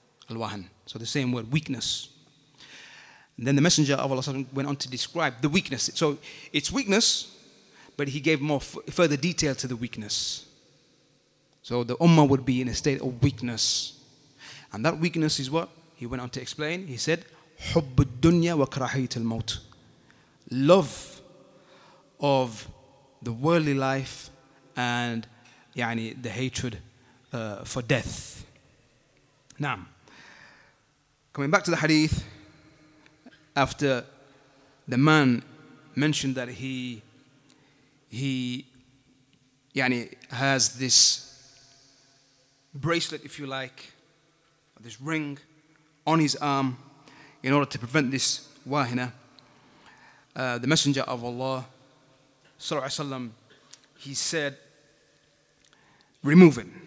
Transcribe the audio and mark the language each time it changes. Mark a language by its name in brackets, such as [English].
[English] الوهن. So the same word, weakness. And then the Messenger of Allah went on to describe the weakness. So it's weakness, but he gave more further detail to the weakness. So the Ummah would be in a state of weakness. And that weakness is what? He went on to explain. He said, [Arabic] حب الدنيا وكراهية الموت. [English] Love of the worldly life and يعني, the hatred for death. Now, coming back to the hadith, after the man mentioned that he يعني, has this bracelet, if you like, or this ring on his arm in order to prevent this wahina, the Messenger of Allah, sallallahu alayhi wa sallam, he said, remove it.